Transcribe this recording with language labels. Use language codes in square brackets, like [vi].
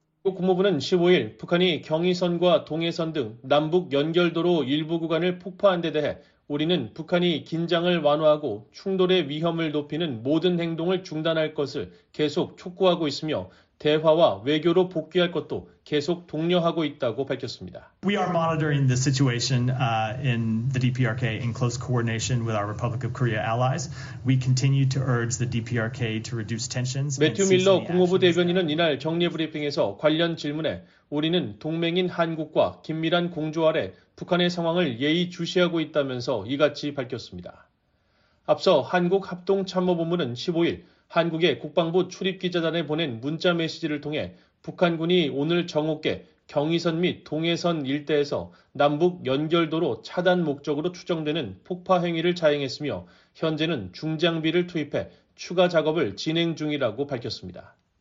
[ko] 미국 국무부는 15일 북한이 경의선과 동해선 등 남북 연결도로 일부 구간을 폭파한 데 대해 우리는 북한이 긴장을 완화하고 충돌의 위험을 높이는 모든 행동을 중단할 것을 계속 촉구하고 있으며 대화와 외교로 복귀할 것도 계속 독려하고 있다고 밝혔습니다. [en] We are monitoring the situation in the DPRK in close coordination with our Republic of Korea allies. We continue to urge the DPRK to reduce tensions. [ko] 매튜 밀러 국무부 대변인은 이날 정례 브리핑에서 관련 질문에 우리는 동맹인 한국과 긴밀한 공조 아래 북한의 상황을 예의주시하고 있다면서 이같이 밝혔습니다. 앞서 한국 합동참모본부는 15일 한국의 국방부 출입기자단에 보낸 문자 메시지를 통해 북한군이 오늘 정오께 경의선 및 동해선 일대에서 남북 연결도로 차단 목적으로 추정되는 폭파 행위를 자행했으며 현재는 중장비를 투입해 추가 작업을 진행 중이라고 밝혔습니다.